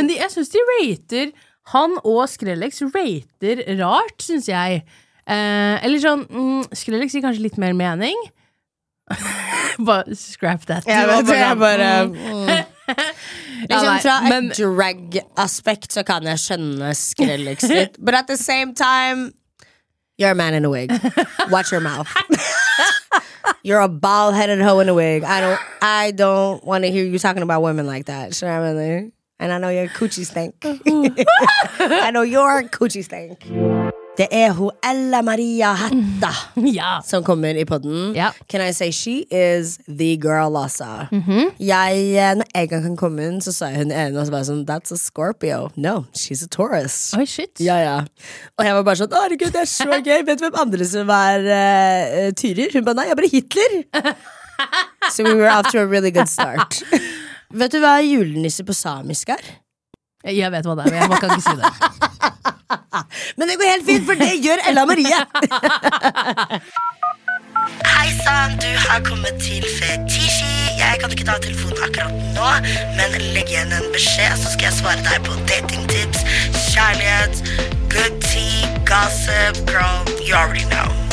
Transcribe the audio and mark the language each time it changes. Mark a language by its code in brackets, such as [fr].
[no] Men jeg synes de rater han og Skrillex rater rart, synes jeg. Eller sånn, Skrillex gir kanskje litt mer mening. Bare [en] scrap that. [no] Jeg vet det, jeg bare liksom fra et drag aspekt så kan jeg skjønne Skrillex litt. [en] But at the same time, you're a man in a wig. Watch your mouth. You're a bald-headed hoe in a wig. I don't want to hear you talking about women like that. And I know your coochie stink. I know your coochie stink. [no] Det hun Ella Maria Hatta som kommer i podden. [en] Yep. Can I say she is the girl [no] også. Mm-hmm. Når jeg kan komme inn, så sa hun en og så bare sånn, [en] that's a Scorpio. No, she's a Taurus. [no] Oi, shit. Ja. Og jeg var bare sånn, å herregud, det så gøy. Okay. Vet du hvem andre som var tyrer? Hun bare, nei, jeg bare Hitler. [en] So we were off to a really good start. [no] Vet du hva julenisse på samisk er? Jeg vet hva det er, men jeg kan ikke si det. Men det går helt fint, for det gjør Ella Marie. Hei Sam, du har kommet til Fetisji. Jeg kan ikke ta telefonen akkurat nå, men legg igjen en beskjed, så skal jeg svare deg på datingtips, kjærlighet, [en] good tea, gossip, girl, you already know.